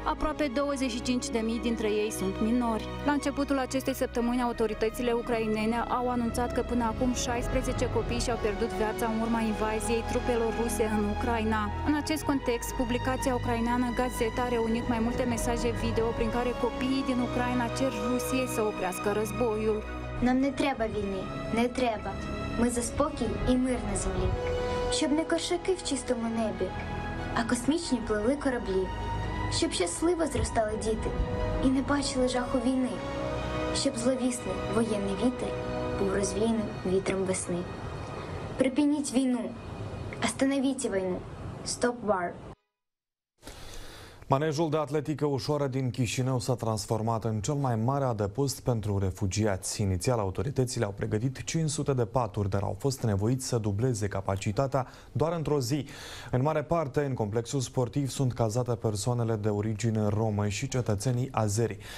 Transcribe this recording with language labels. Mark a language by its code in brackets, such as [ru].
[ro] Aproape 25.000 dintre ei sunt minori. La începutul acestei săptămâni, autoritățile ucrainene au anunțat că până acum 16 copii și-au pierdut viața în urma invaziei trupelor ruse în Ucraina. În acest context, publicația ucraineană Gazeta a reunit mai multe mesaje video prin care copiii din Ucraina cer Rusiei să oprească războiul. [uk] Нам не треба війни, не треба. Ми за спокій і мир на землі. Щоб не кошики в чистому небі, а космічні пливли кораблі. Щоб щасливо зростали діти і не бачили жаху війни. Щоб зловісний воєнний вітер був розвіяним вітром весни. Припиніть війну, остановіть війну. [en] Stop war. [ro] Manejul de atletică ușoară din Chișinău s-a transformat în cel mai mare adăpost pentru refugiați. Inițial, autoritățile au pregătit 500 de paturi, dar au fost nevoiți să dubleze capacitatea doar într-o zi. În mare parte, în complexul sportiv sunt cazate persoanele de origine romă și cetățenii azeri.